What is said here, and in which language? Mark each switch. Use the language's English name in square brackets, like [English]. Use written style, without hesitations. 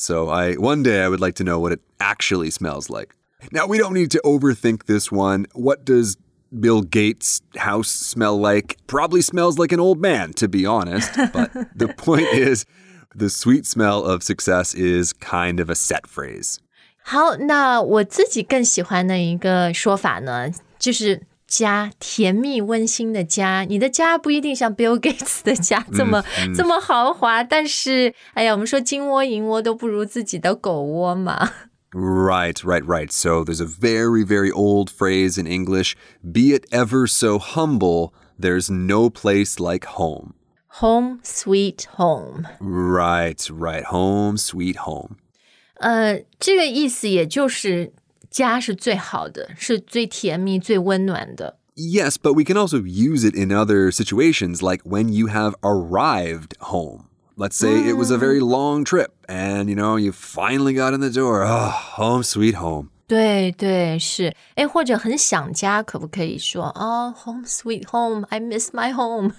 [English] So one day I would like to know what it actually smells like. Now, we don't need to overthink this one. What does Bill Gates' house smell like? Probably smells like an old man, to be honest. But the point is, the sweet smell of success is kind of a set phrase. [Chinese] 好，那我自己更喜欢的一个说法呢，就是家，甜蜜温馨的家。你的家不一定像 Bill Gates 的家这么豪华，但是哎呀，我们说金窝银窝都不如自己的狗窝嘛。 [English] Right, right, right. So there's a very, very old phrase in English. Be it ever so humble, there's no place like home. Home, sweet home. Right, right. Home, sweet home. [Chinese] 这个意思也就是家是最好的，是最甜蜜、最温暖的。 [English] Yes, but we can also use it in other situations, like when you have arrived home. Let's say it was a very long trip, and you know, you finally got in the door. Oh, home sweet home. [Chinese] 对对，是。哎，或者很想家，可不可以说 [English] Oh, home sweet home, I miss my home.